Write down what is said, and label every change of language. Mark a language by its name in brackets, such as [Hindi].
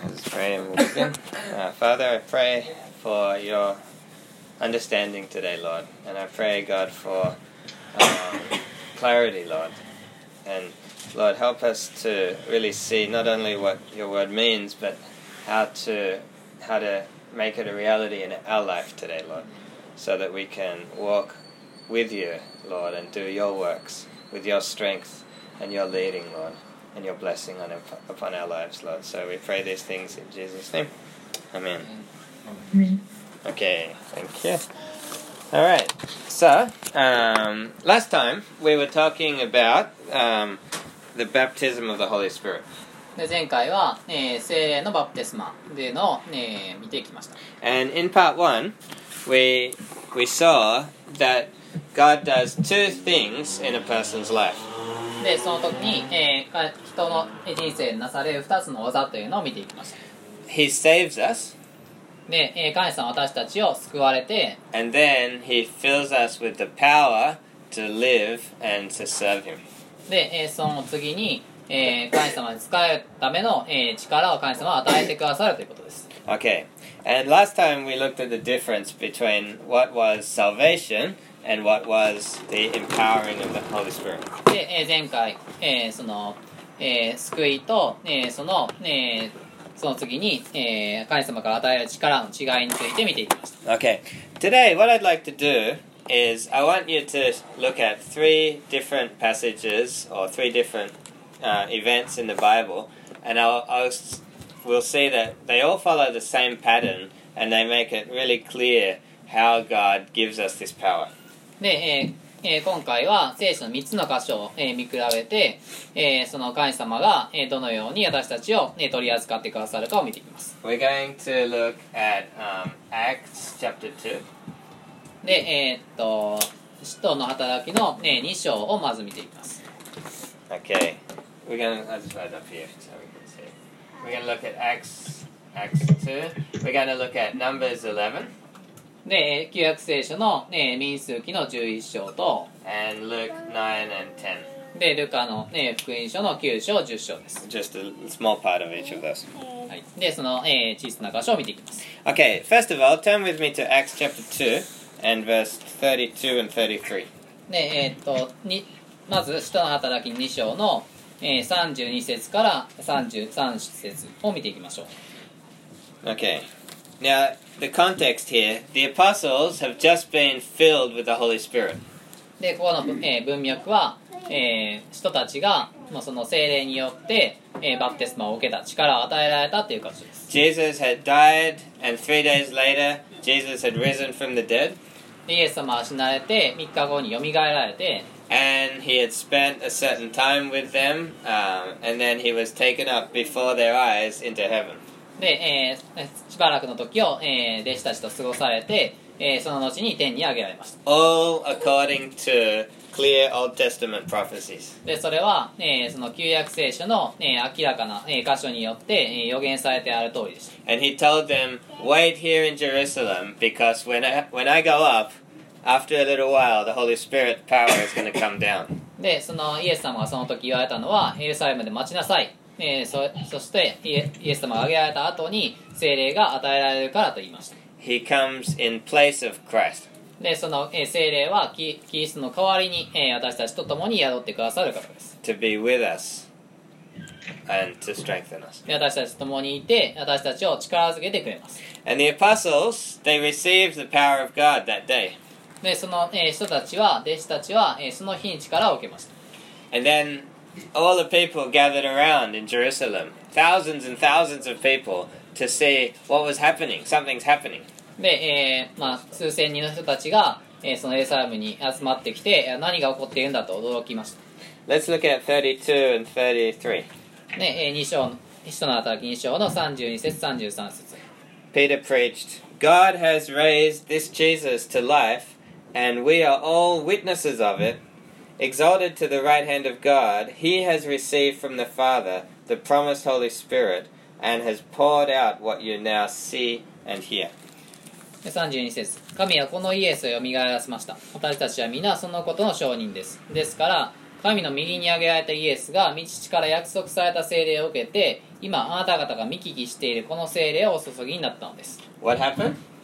[English] Father, I pray for your understanding today, Lord, and I pray, God, for clarity, Lord, and Lord, help us to really see not only what your word means, but how to make it a reality in our life today, Lord, so that we can walk with you, Lord, and do your works with your strength and your leading, Lord, and your blessing upon our lives, Lord. So we pray these things in Jesus' name. Amen. Amen. Okay, thank you. All right, so last time we were talking about the baptism of the Holy Spirit. [Japanese] 前回は、聖霊のバプテスマでの、見ていきました。 [English] And in part one, we saw that God does two things in a person's life. [Japanese] で、その時に、人の人生になされる二つの技というのを見ていきました。 [English] He saves us. [Japanese] で、神様は私たちを救われて、 [English] And then he fills us with the power to live and to serve him. [Japanese] で、その次に、神様に使えるための、力を神様は与えてくださるということです。 [English] Okay. And last time we looked at the difference between what was salvation and what was the empowering of the Holy Spirit. [Japanese] で、前回、その、救いと、その、その次に、神様から与える力の違いについて見ていきました。 [English] Okay. Today, what I'd like to dodo is I want you to look at three different passages or three different events in the Bible, and we'll see that they all follow the same pattern, and they make it really clear how God gives us this power. [Japanese] で、今回は聖書の3つの箇所を、見比べて、その神様が、どのように私たちを、取り扱ってくださるかを見ていきます。 [English] We're going to look at Acts chapter 2. [Japanese] で、使徒の働きの、2章をまず見ていきます。 [English] Okay. I'll just write it up here so we can see. We're going to look at Acts 2. We're going to look at Numbers 11. [Japanese] で、旧約聖書の、民数記の11章と、 [English] and Luke 9 and 10. [Japanese] で、ルカの、福音書の9章、10章です。 [English] Just a small part of each of those.、 [Japanese] はい、で、その、小さな箇所を見ていきます。 [English] Okay. First of all, turn with me to Acts chapter 2. And verse 32 and 33. [Japanese] まず使徒の働き2章の、32節から33節を見ていきましょう。 [English] Okay. Now, the context here, the apostles have just been filled with the Holy Spirit. [Japanese] で、ここの、文脈は、使徒たちが、まあ、その聖霊によって、バプテスマを受けた、力を与えられたという箇所です。 [English] Jesus had died, and 3 days later, Jesus had risen from the dead. [Japanese] イエス様は死なれて3日後によみがえられて、 [English] and he had spent a certain time with them, and then he was taken up before their eyes into heaven. [Japanese] で、しばらくの時を、弟子たちと過ごされて、その後に天に上げられました。 [English] All according to clear Old Testament prophecies. [Japanese] で、それは、その旧約聖書の、明らかな、箇所によって、予言されてある通りでした。 [English] And he told them, wait here in Jerusalem, because when I go up, after a little while, the Holy Spirit power is going to come down. [Japanese] で、そのイエス様がその時言われたのは、エルサレムで待ちなさい。そしてイエス様が上げられた後に聖霊が与えられるからと言いました。 [English] He comes in place of Christ. [Japanese] で、その聖霊はキリストの代わりに私たちと共に宿ってくださる方です。 [English] To be with us and to strengthen us. [Japanese] 私たちと共にいて、私たちを力づけてくれます。 [English] And the apostles, they received the power of God that day. [Japanese] で、その人たちは、弟子たちは、その日に力を受けました。 [English] And then all the people gathered around in Jerusalem, thousands and thousands of people,to see what was happening. Something's happening. [Japanese] で、まあ、数千人の人たちが、そのエルサレムに集まってきて、何が起こっているんだと驚きました。 [English] Let's look at 32 and 33. [Japanese] ね、使徒の働き2章の32節33節。 [English] Peter preached, God has raised this Jesus to life, and we are all witnesses of it. Exalted to the right hand of God, he has received from the Father the promised Holy Spirit, and has poured out what you now see and hear. [Japanese] 32節、神はこのイエスをよみがえらせました。私たちは皆そのことの証人です。ですから、神の右に挙げられたイエスが御父から約束された聖霊を受けて、今あなた方が見聞きしているこの聖霊をお注ぎになったのです。 [English] What happened?